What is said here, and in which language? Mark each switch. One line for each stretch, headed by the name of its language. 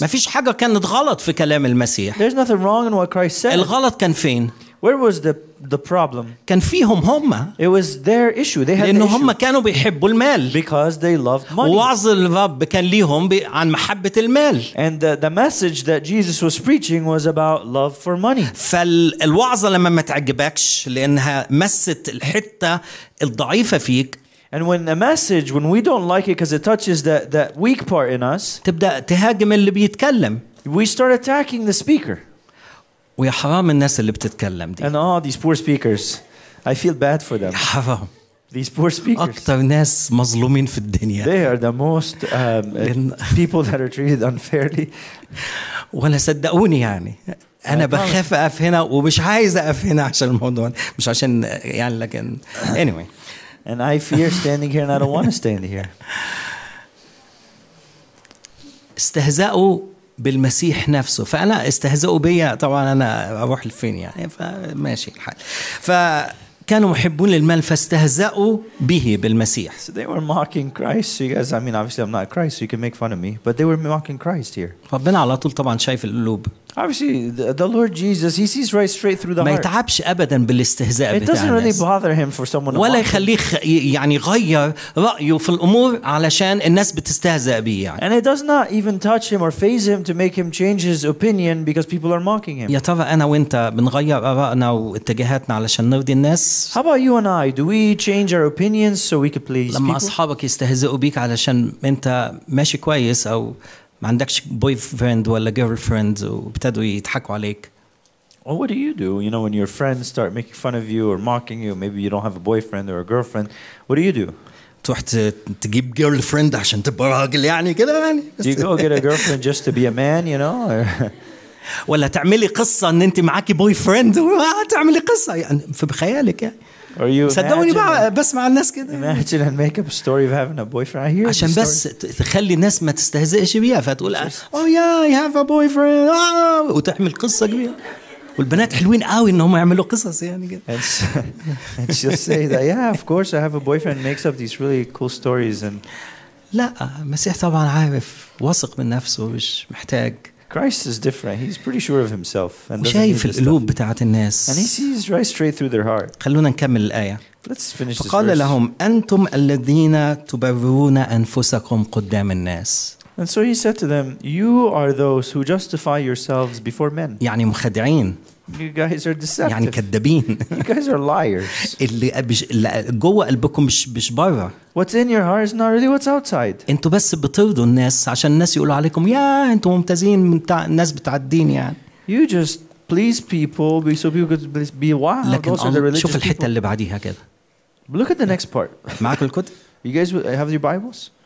Arabic: ما فيش حاجة كانت غلط في كلام المسيح.
English: There's nothing wrong in what Christ said.
Arabic: الغلط كان فين؟
English: Where was the problem?
Arabic: كان فيهم هم.
English: It was their issue. They had
Arabic: لأن
English: the
Arabic: هم كانوا بيحبوا المال.
English: Because they loved money.
Arabic: وعظ الرب كان ليهم عن محبة المال.
English: And the message that Jesus was preaching was about love for money.
Arabic: فالوعظة لما ما تعجبكش لأنها مست الحتة الضعيفة فيك.
English: And when a message, when we don't like it because it touches that weak part in us,
Arabic: تبدأ تهاجم اللي بيتكلم.
English: We start attacking the speaker.
Arabic: ويا حرام الناس اللي بتتكلم دي.
English: And all these poor speakers, I feel bad for them.
Arabic: حرام.
English: These poor speakers.
Arabic: أكتر ناس مظلومين في الدنيا.
English: They are the most people that are treated unfairly.
Arabic: ولا صدقوني يعني. أنا بخاف أقف هنا ومش عايز أقف هنا عشان الموضوع مش عشان يعني لكن
English: anyway. And I fear standing here, and I don't want to stand here.
Arabic: استهزأوا بالمسيح نفسه، فأنا استهزأوا بيا طبعاً أنا أروح لفين يعني، فماشي الحال. فكانوا محبون للمال فاستهزأوا به بالمسيح.
English: So they were mocking Christ. So you guys, I mean, obviously I'm not Christ, so you can make fun of me, but they were mocking Christ here.
Arabic: ربنا على طول طبعاً شايف القلوب.
English: Obviously, the Lord Jesus, he sees right straight through the heart.
Arabic: ما يتعبش أبدا بالاستهزاء بتاع الناس.
English: It doesn't really bother him for someone.
Arabic: ولا يخليه يعني يغير رأيه في الأمور علشان الناس بتستهزأ بيه يعني.
English: And it does not even touch him or faze him to make him change his opinion because people are mocking him.
Arabic: يا ترى أنا وأنت بنغير آرائنا واتجاهاتنا علشان نرضي الناس.
English: How about you and I? Do we change our opinions so we can please people?
Arabic: لما أصحابك يستهزئوا بيك علشان أنت ماشي كويس أو ما عندكش boyfriend ولا girlfriend وبتدوا يضحكوا عليك.
English: Well, what do? You know, when your friends start making fun of you or mocking you, maybe you don't have a boyfriend or a girlfriend. What do?
Arabic: تروح تجيب girlfriend عشان تبقى راجل يعني كده يعني.
English: Do you go get a girlfriend just to be a man, you know?
Arabic: ولا تعملي قصة إن أنت معاكي boyfriend تعملي قصة يعني في خيالك يعني.
English: Or you
Arabic: صدقوني بسمع الناس كده.
English: Imagine and make up a story of having a boyfriend. I hear
Arabic: عشان بس تخلي الناس ما تستهزئش بيها فتقول
English: oh yeah I have a boyfriend
Arabic: وتحمل قصة كبيرة والبنات حلوين قوي إنهم يعملوا قصص يعني كده.
English: And she'll say that yeah of course I have a boyfriend makes up these really cool stories and
Arabic: لا المسيح طبعا عارف واثق من نفسه مش محتاج.
English: Christ is different. He's pretty sure of himself. And
Arabic: وشايف القلوب بتاعت الناس.
English: And he sees right straight through their heart.
Arabic: خلونا نكمل الآية.
English: Let's finish
Arabic: فقال
English: this verse.
Arabic: لهم أنتم الذين تبررون أنفسكم قدام الناس.
English: And so he said to them, "You are those who justify yourselves before men."
Arabic: يعني مخدعين.
English: You guys are deceptive.
Arabic: يعني كذابين.
English: You guys are liars.
Arabic: اللي جوه قلبكم مش بره.
English: What's in your heart is not really what's outside.
Arabic: انتوا بس بترضوا الناس عشان الناس يقولوا عليكم يا انتوا ممتازين بتاع الناس بتاع الدين يعني.
English: You just please people so people could be wild.
Arabic: لكن
English: those are the religious
Arabic: شوف الحته
English: people.
Arabic: اللي بعديها كده.
English: Look at the next part.
Arabic: معاك الكتب؟
English: You guys have your Bibles?